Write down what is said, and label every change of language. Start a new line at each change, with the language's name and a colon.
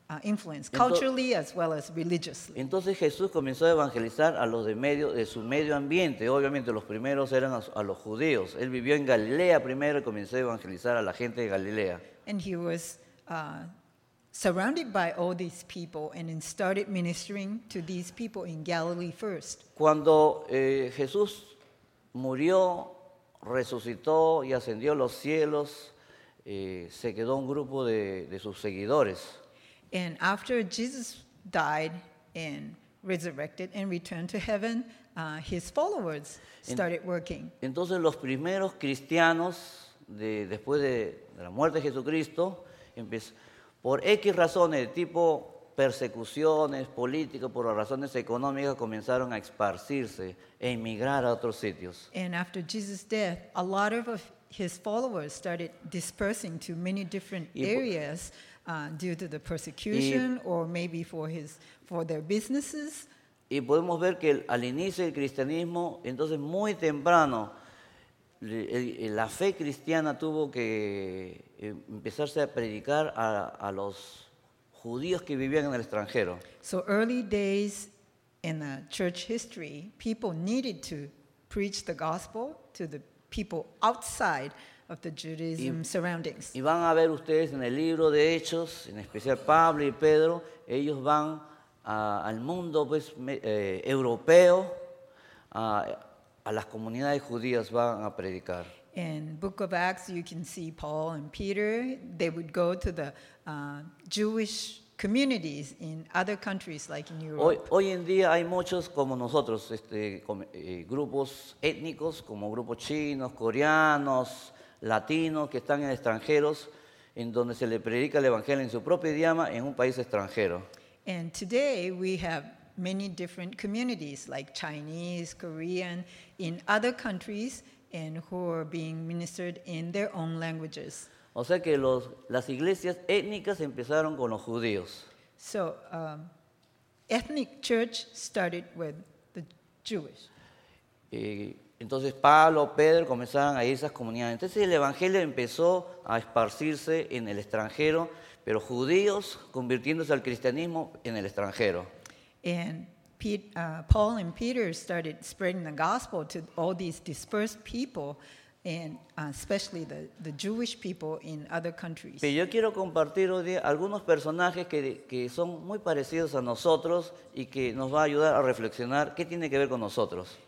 English: Influence culturally as well as religiously.
Spanish: Entonces Jesús comenzó a evangelizar a los de su medio ambiente. Obviamente los primeros eran a los judíos. Él vivió en Galilea primero y comenzó a evangelizar a la gente de Galilea.
English: And he was surrounded by all these people and started ministering to these people in Galilee first.
Spanish: Cuando Jesús murió, resucitó y ascendió a los cielos, se quedó un grupo de sus seguidores.
English: And after Jesus died and resurrected and returned to heaven, his followers started working.
Spanish: Entonces los primeros cristianos después de la muerte de Jesucristo, por X razones, tipo persecuciones políticas, por razones económicas, comenzaron a esparcirse e emigrar a otros sitios.
English: And after Jesus' death, a lot of his followers started dispersing to many different areas. Due to the persecution or maybe for their businesses.
Spanish: Y podemos ver que al inicio del cristianismo, entonces muy temprano, la fe cristiana tuvo que empezarse a predicar a los judíos que vivían en el extranjero.
English: So early days in the church history, people needed to preach the gospel to the people outside of the Judaism surroundings.
Spanish: Y van a ver ustedes en el libro de Hechos, en especial Pablo y Pedro, ellos van al mundo europeo, a las comunidades judías van a predicar.
English: In Book of Acts, you can see Paul and Peter, they would go to the Jewish communities in other countries like in Europe.
Spanish: Hoy en día hay muchos como nosotros, grupos étnicos como grupos chinos, coreanos, latinos que están en extranjeros, en donde se le predica el evangelio en su propio idioma en un país extranjero.
English: And today we have many different communities like Chinese, Korean, in other countries, and who are being ministered in their own languages.
Spanish: O sea que las iglesias étnicas empezaron con los judíos.
English: So ethnic church started with the Jewish.
Spanish: Entonces Pablo, Pedro comenzaron a ir a esas comunidades. Entonces el evangelio empezó a esparcirse en el extranjero, pero judíos convirtiéndose al cristianismo en el extranjero.
English: And Paul and Peter started spreading the gospel to all these dispersed people, and especially the Jewish people in other countries.
Spanish: Pero yo quiero compartir hoy día algunos personajes que son muy parecidos a nosotros y que nos va a ayudar a reflexionar qué tiene que ver con nosotros.